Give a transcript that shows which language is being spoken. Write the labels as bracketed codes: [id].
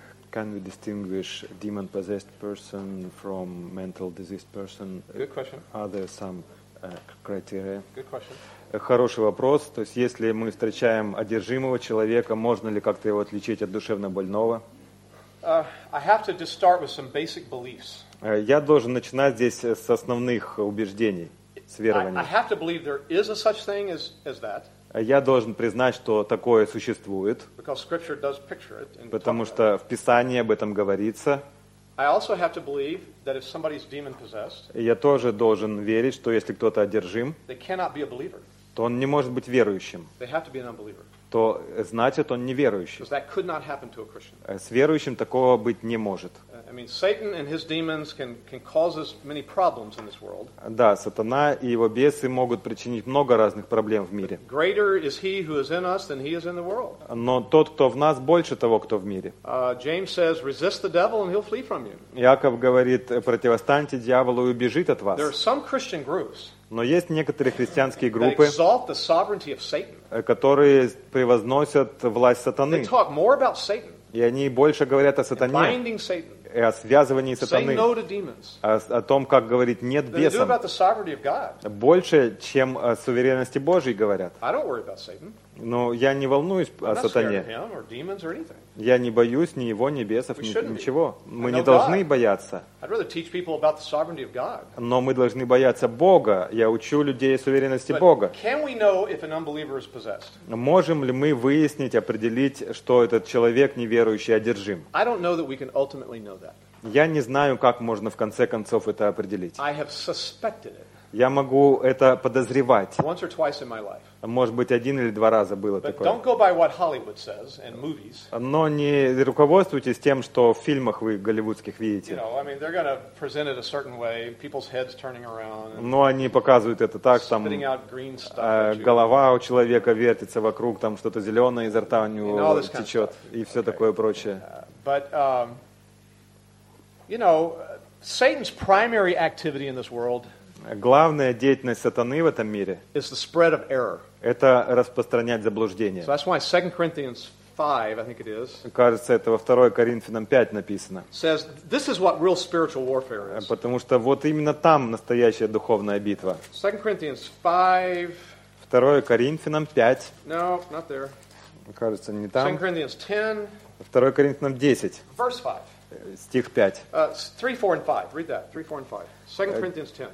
[en] Can we distinguish demon possessed person from mental diseased person? Good question. Are there some criteria? Good question. [ru] Хороший вопрос. То есть, если мы встречаем одержимого человека, можно ли как-то его отличить от душевно больного? [en] I have to just start with some basic beliefs. [ru] Я должен начинать здесь с основных убеждений, с верований. [en] I have to believe there is a such thing as that. [ru] Я должен признать, что такое существует, [en] because scripture does picture it, [ru] потому что в Писании об этом говорится. [en] I also have to believe that if somebody's demon possessed, [ru] я тоже должен верить, что если кто-то одержим, [en] they cannot be a believer, [ru] то он не может быть верующим. [en] They have to be an unbeliever. [ru] То значит, он неверующий. [en] Because that could not happen to a Christian. [ru] С верующим такого быть не может. [en] I mean, Satan and his demons can cause us many problems in this world. [ru] Да, сатана и его бесы могут причинить много разных проблем в мире. [en] Greater is he who is in us than he is in the world. [ru] Но тот, кто в нас, больше того, кто в мире. [en] James says, resist the devil and he'll flee from you. [ru] Яков говорит, противостаньте дьяволу и убежит от вас. [en] There are some Christian groups. [ru] Но есть некоторые христианские группы, [en] exalt the sovereignty of Satan. [ru] Которые превозносят власть сатаны. [en] They talk more about Satan. [ru] И они больше говорят о сатане. [en] Binding Satan. [ru] И о связывании сатаны, [en] say no to demons, [ru] о том, как говорить «нет» бесам, больше, чем о суверенности Божьей говорят. [en] I don't worry about Satan. [ru] Но я не волнуюсь о сатане. [en] Or demons or anything. [ru] Я не боюсь ни его, ни бесов, [en] we [ru] ничего. [en] Be. [ru] Мы не должны [en] God. [ru] Бояться. [en] I'd rather teach people about the sovereignty of God. [ru] Но мы должны бояться Бога. Я учу людей о суверенности [en] But [ru] Бога. [en] Can we know if an unbeliever is possessed? [ru] Можем ли мы выяснить, определить, что этот человек неверующий одержим? [en] I don't know that we can ultimately know that. [ru] Я не знаю, как можно в конце концов это определить. [en] I have suspected it. [ru] Я могу это подозревать. [en] Once or twice in my life. [ru] Может быть, один или два раза было такое. [en] Don't go by what Hollywood says and movies. [ru] Но не руководствуйтесь тем, что в фильмах вы голливудских видите. [en] You know, I mean, they're going to present it a certain way, people's heads turning around. [ru] Но они показывают это так, там голова у человека вертится вокруг, там что-то зеленое изо рта у него течет и все такое прочее. [en] But you know, Satan's primary activity in this world. [ru] Главная деятельность сатаны в этом мире [en] is the spread of error. [ru] Это распространять заблуждение. [en] So that's why 2 Corinthians 5, I think it is. [ru] Кажется, это во 2 Коринфянам 5 написано. [en] Says this is what real spiritual warfare is. [ru] Потому что вот именно там настоящая духовная битва. [en] 2 Corinthians 5. [ru] 2 Коринфянам 5. [en] No, not there. [ru] Кажется, не там. [en] 2 Corinthians 10. [ru] 2 Коринфянам 10. [en] Verse 5. [ru] Стих 5. [en] 3, 4, and 5. Read that. 3, 4, and 5. 2 Corinthians 10.